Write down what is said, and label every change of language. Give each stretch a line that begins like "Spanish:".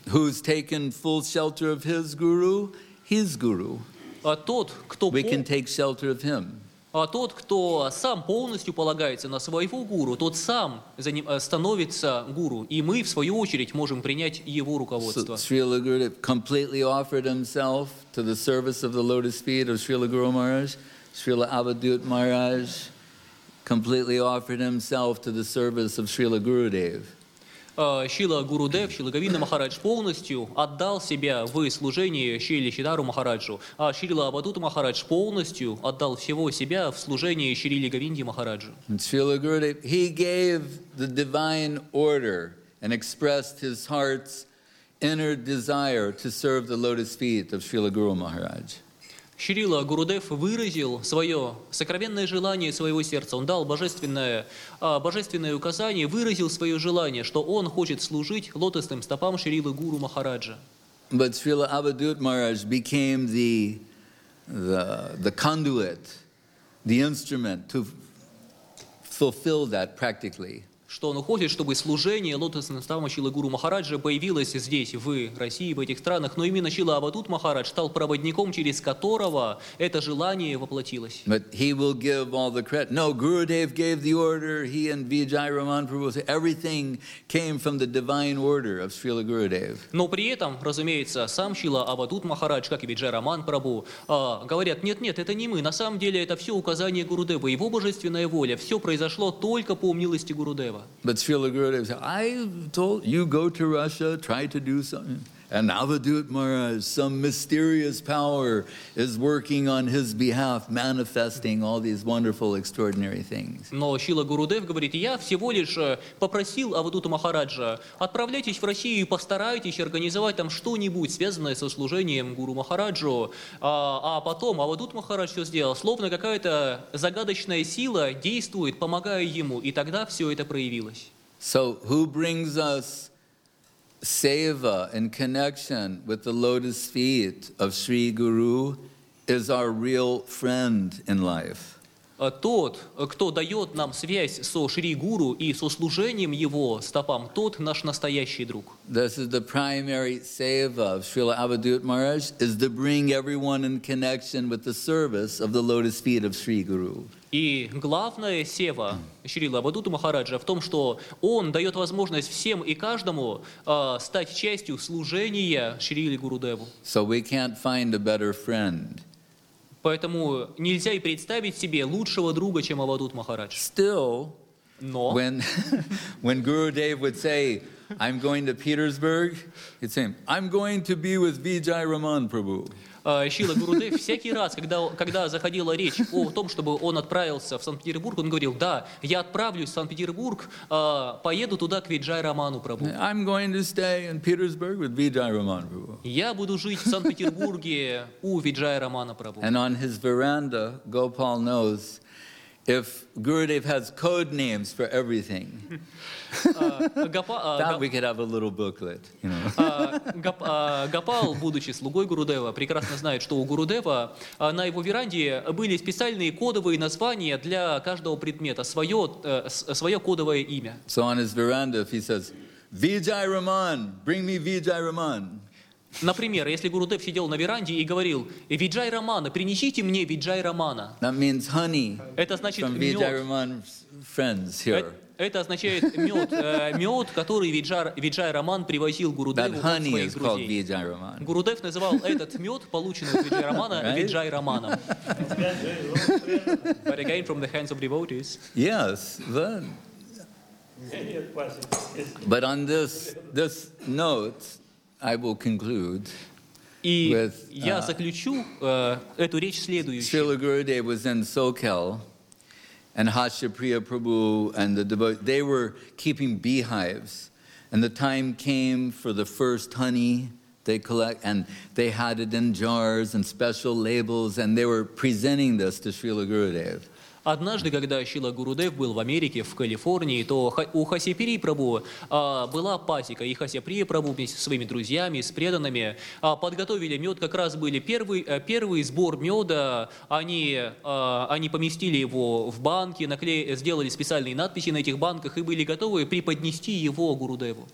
English: Who's taken full shelter of his guru? His guru. We can take shelter of him.
Russian: А тот, кто сам полностью полагается на своего гуру, тот сам становится гуру, и мы, в свою очередь, можем принять его руководство.
English: Srila Guru completely offered himself to the service of the lotus feet of Srila Guru Maharaj. Srila Avadhut Maharaj completely offered himself to the service of Srila Gurudev.
Russian: Шрила Гурудев, Шрила Гавинда Махарадж полностью отдал себя в служении Шрили Шридхару Махараджу, а Шрила Авадута Махарадж полностью отдал всего себя в служении Шрили Гавинде Махараджу.
English: Шрила Гурудев, he gave the divine order and expressed his heart's inner desire to serve the lotus feet of Шрила Гуру Махарадж.
Russian: Шрила Гурудев выразил свое сокровенное желание своего сердца. Он дал божественное указание, выразил свое желание, что он хочет служить лотосным стопам Шрилы Гуру Махараджа.
English: But Srila Avadhut Maharaj became the conduit, the instrument to fulfill that practically.
Russian: что оно хочет, чтобы служение лотосного стана Шрилы Гуру Махараджа появилось здесь, в России, в этих странах, но именно Шрила Аватут Махарадж стал проводником, через которого это желание воплотилось.
English: But he will give all the credit. No, Gurudev gave the order, he and Vijay Raman Prabhu, everything came from the divine order of Srila Gurudev.
Russian: Но при этом, разумеется, сам Шрила Аватут Махарадж, как и Виджай Раман Прабу, говорят, нет-нет, это не мы, на самом деле это все указание Гурудева, его божественная воля, все произошло только по милости Гурудева.
English: But Srila Gurudev said, I told you, go to Russia, try to do something. And Avadhut Maharaj, some mysterious power is working on his behalf, manifesting all these wonderful, extraordinary things.
Russian: Но Шрила Гурудев говорит, я всего лишь попросил Авадута Махараджа, отправляйтесь в Россию и постарайтесь организовать там что-нибудь, связанное со служением Гуру Махараджу. А потом Авадут Махарадж все сделал, словно какая-то загадочная сила действует, помогая ему. И тогда все это проявилось.
English: So who brings us Seva in connection with the lotus feet of Sri Guru is our real friend in life.
Russian: Тот, кто дает нам связь со Шри Гуру и со служением его стопам, тот наш настоящий друг.
English: This is the primary seva of Srila Avadhut Maharaj, is to bring everyone in connection with the service of the lotus feet of Sri Guru.
Russian: И главная сева Шрилы Авадута Махараджа в том, что он дает возможность всем и каждому стать частью служения Шрили Гурудеву.
English: So we can't find a better friend.
Russian: Поэтому нельзя и представить себе лучшего друга, чем Авадут Махарадж.
English: Still,
Russian: но
English: when Gurudev would say, I'm going to Petersburg, he'd say, I'm going to be with Vijay Raman Prabhu.
Russian: Шрила Гурудев всякий раз, когда заходила речь о том, чтобы он отправился в Санкт-Петербург, он говорил, да, я отправлюсь в Санкт-Петербург, поеду туда к Виджай Раману Прабу.
English: I'm going to stay in Petersburg with Vijay Raman Prabhu.
Russian: Я буду жить в Санкт-Петербурге у Виджай Рамана Прабу.
English: And on his veranda, Gopal knows, if Gurudev has code names for everything, that we could have a little booklet.
Russian: Гопал, будучи слугой Гурудева, прекрасно знает, что у Гурудева на его веранде были специальные кодовые названия для каждого предмета, свое кодовое имя.
English: So on his veranda, if he says, Vijay Raman, bring me Vijay Raman.
Russian: Например, если Гурудев сидел на веранде и говорил, Виджай Рамана, принесите мне Виджай Рамана.
English: That means honey.
Russian: Это значит
English: from
Russian: мед.
English: Vijay Raman's friends here.
Russian: Это означает мед, мед, который Виджай Раман привозил Гурудеву от своих друзей. Гурудев называл этот мед, полученный от Виджай Рамана,
English: right?
Russian: Виджай Раманом.
English: But again, from the hands of devotees. Yes, then. But on this note, I will conclude
Russian: и
English: with,
Russian: я заключу эту речь следующей.
English: Srila Gurudev was in Sokhel, and Hashyapriya Prabhu and the devotees, they were keeping beehives, and the time came for the first honey they collect, and they had it in jars and special labels, and they were presenting this to Srila Gurudev.
Russian: Однажды, когда Шрила Гурудев был в Америке, в Калифорнии, то у Хасяпри Прабу была пасека, и Хасяпри Прабу вместе со своими друзьями, с преданными, подготовили мед, как раз были первый сбор меда, они поместили его в банки, сделали специальные надписи на этих банках и были готовы преподнести его Гурудеву.